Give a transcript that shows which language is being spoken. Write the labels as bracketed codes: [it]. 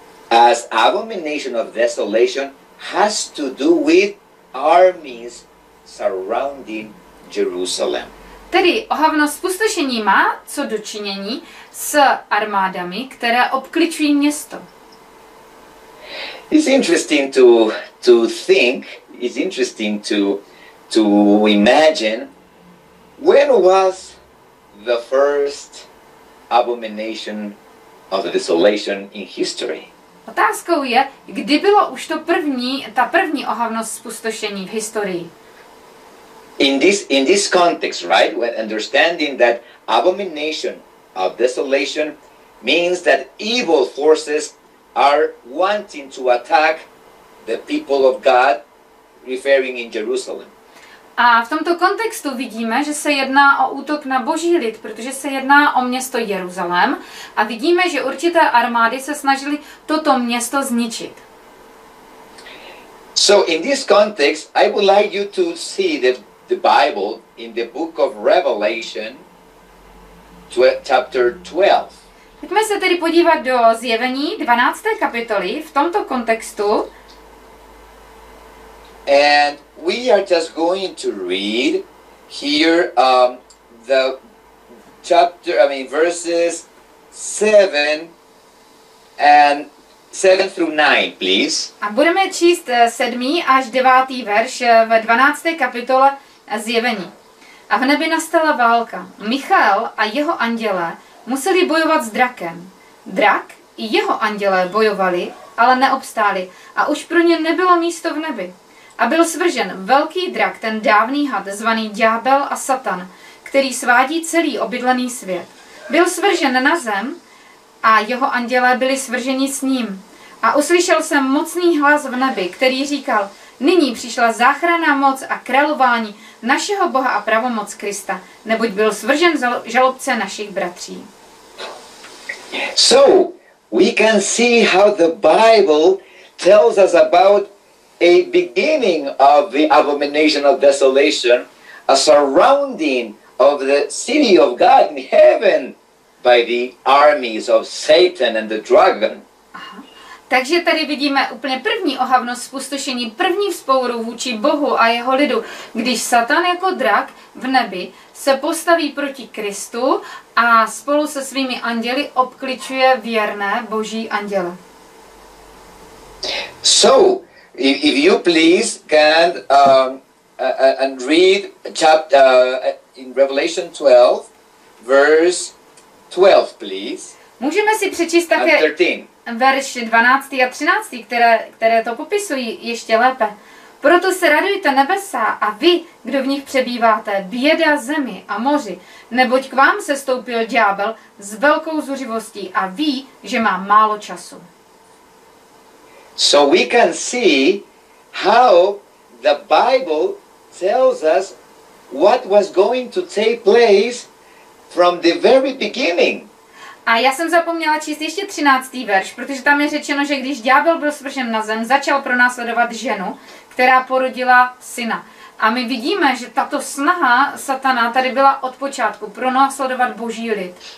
[en] As abomination of desolation has to do with armies surrounding Jerusalem. [cs] Tedy ohavnost spustošení má co dočinění s armádami, které obklíčují město. [en] It's interesting to think, it's interesting to imagine when was the first abomination of the desolation in history. [cs] Otázkou je, kdy bylo už to první, ta první ohavnost spustošení v historii. [en] In this context, right, when understanding that abomination of desolation means that evil forces are wanting to attack the people of God, referring in Jerusalem. [cs] A v tomto kontextu vidíme, že se jedná o útok na boží lid, protože se jedná o město Jeruzalém, a vidíme, že určité armády se snažily toto město zničit. [en] So in this context, I would like you to see the Bible in the book of Revelation, chapter 12. [cs] Pojďme se tedy podívat do Zjevení 12. kapitoly v tomto kontextu. [en] And we are just going to read here the chapter, I mean verses 7 and 7 through 9, please. [cs] A budeme číst 7. až 9. verš ve 12. kapitole Zjevení. A v nebi nastala válka. Michael a jeho andělé museli bojovat s drakem. Drak i jeho andělé bojovali, ale neobstáli, a už pro ně nebylo místo v nebi. A byl svržen velký drak, ten dávný had, zvaný ďábel a satan, který svádí celý obydlený svět. Byl svržen na zem a jeho andělé byli svrženi s ním. A uslyšel jsem mocný hlas v nebi, který říkal, nyní přišla záchrana, moc a králování našeho Boha a pravomoc Krista, neboť byl svržen žalobce našich bratří. [en] So, we can see how the Bible tells us about a beginning of the abomination of desolation, a surrounding of the city of God in heaven by the armies of Satan and the dragon. [cs] Takže tady vidíme úplně první ohavnost spustošení, první vzpouru vůči Bohu a jeho lidu, když Satan jako drak v nebi se postaví proti Kristu a spolu se svými anděly obkličuje věrné boží anděle. [en] So, if you please can and read chapter in Revelation 12, verse 12, please. [cs] Můžeme si přečíst také verše 12. a 13., které to popisují ještě lépe. Proto se radujte nebesa a vy, kdo v nich přebýváte, běda zemi a moři, neboť k vám se stoupil ďábel s velkou zuřivostí a ví, že má málo času. [en] So we can see how the Bible tells us what was going to take place from the very beginning. [cs] A já jsem zapomněla číst ještě 13. verš, protože tam je řečeno, že když ďábel byl svržen na zem, začal pronásledovat ženu, která porodila syna. A my vidíme, že tato snaha satana tady byla od počátku, pronásledovat boží lid.